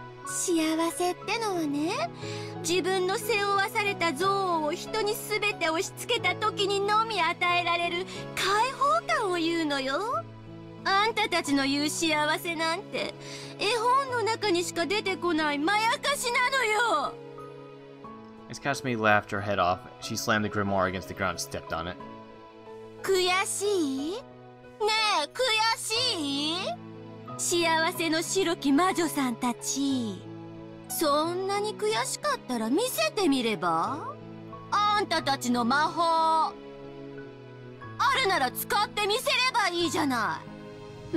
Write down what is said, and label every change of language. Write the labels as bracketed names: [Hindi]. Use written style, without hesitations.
[Japanese] 幸せってのはね、自分の背負わされた憎悪を人に全て押し付けた時にのみ与えられる解放感を言うのよ。あんたたちの言う幸せなんて、絵本の中にしか出てこないまやかしなのよ。 [English] As Kasumi laughed her head off, she slammed the grimoire against the ground and stepped on it. [Japanese] 悔しい？ねえ、悔しい？幸せの白き魔女さんたち、そんなに悔しかったら見せてみれば？あんたたちの魔法あるなら使ってみせればいいじゃない。